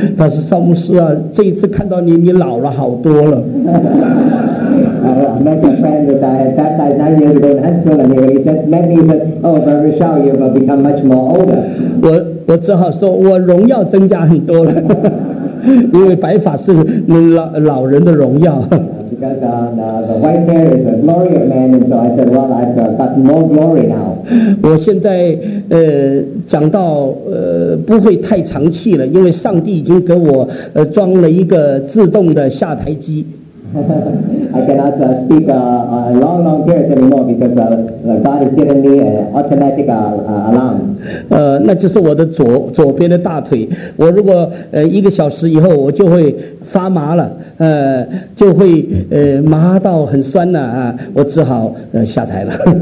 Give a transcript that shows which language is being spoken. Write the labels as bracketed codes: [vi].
[zh] 他说：“少牧师啊，这一次看到你，你老了好多了。 [en] ”I met a friend that I had baptized 9 years ago in Huntsville, and he just met me and said, "Oh, Brother Shaw, you have become much more older." [zh] 我只好说，我荣耀增加很多了。因为白发是老人的荣耀。 [en] Because the white hair is the glory of man, and so I said, "Well, I've got more glory now." [zh] 我现在讲到不会太长气了，因为上帝已经给我装了一个自动的下台机。 [en] I cannot speak long period anymore because God has given me an automatic alarm. [zh] 那就是我的左边的大腿。我如果一个小时以后，我就会发麻了，就会麻到很酸了啊，我只好下台了。